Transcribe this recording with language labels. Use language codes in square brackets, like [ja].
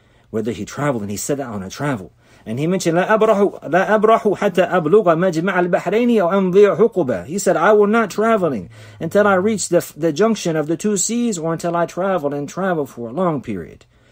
[en] Whether he traveled, and he set out on a travel. And he mentioned, [ar] لا أبرحوا حتى أبلغ مجمع البحرين أو أمضي حقبة. [en] He said, I will not traveling until I reach the junction of the two seas, or until I travel and travel for a long period.